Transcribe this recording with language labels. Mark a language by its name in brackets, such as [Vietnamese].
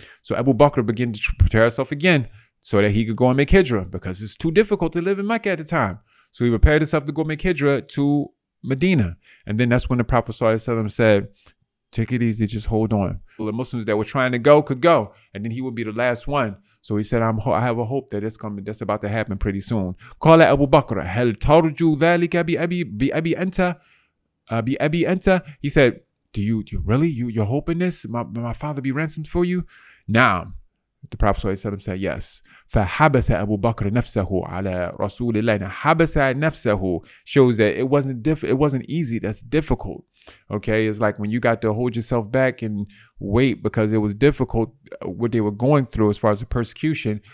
[English] So Abu Bakr began to prepare himself again, so that he could go and make hijrah, because it's too difficult to live in Mecca at the time. So he prepared himself to go make hijrah to Medina. And then that's when the Prophet ﷺ said, take it easy, just hold on. The Muslims that were trying to go could go, and then he would be the last one. So he said, I have a hope that that's about to happen pretty soon. [Arabic] قال أبو بكر هل ترجو ذلك بأبي أنت بأبي أنت. [English] He said, do you really, you're hoping this, my father be ransomed for you? Now, the Prophet ﷺ said yes. [Arabic] فَحَبَسَ أَبُو بَكْرَ نَفْسَهُ عَلَى رَسُولِ اللَّهِ حَبَسَ نَفْسَهُ [English] shows that it wasn't easy. That's difficult. Okay, it's like when you got to hold yourself back and wait, because it was difficult what they were going through as far as the persecution.